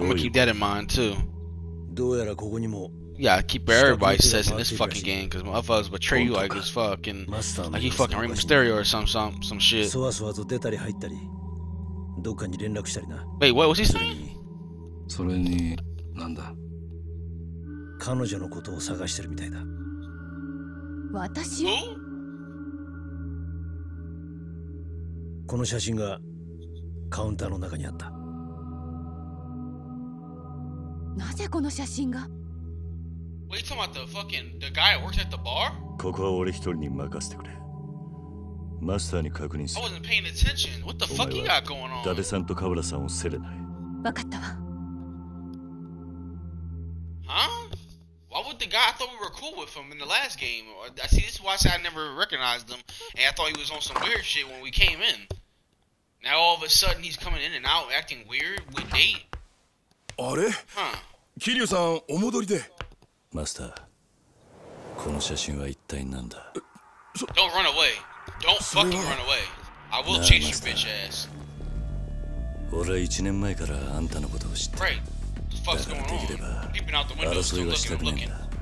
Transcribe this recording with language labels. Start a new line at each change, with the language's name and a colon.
English: I'ma keep that in mind, too.
Japanese: Dou yara koko ni mo...
English: Yeah, keep everybody says in this fucking game, cause motherfuckers betray you like it's fucking like he fucking Rey Mysterio or some shit. Wait, what was he saying?
Japanese: それに、なんだ。彼女のことを探してるみたいだ。私を。この写真がカウンターの中にあった。なぜこの写真が？
English: Wait, you talking about the guy that works at the bar?
Japanese: ここは俺一人に任せてくれ。
English: I wasn't paying attention. What the fuck you got going on?
Japanese: ダベさんとカブラさんを捨てれない。わかったわ。 Huh?
English: Why would the guy I thought we were cool with him in the last game? I see, this is why I said I never recognized him, and I thought he was on some weird shit when we came in. Now all of a sudden he's coming in and out, acting weird with Nate.
Japanese: あれ？ Huh? キリュウさん、お戻りで。マスター、この写真は一体なんだ？
English: Don't run away. Don't fucking run away. I will chase your bitch ass.
Japanese: 俺は1年前からあんたのことを知って。だからできれば争いはしたくないんだ。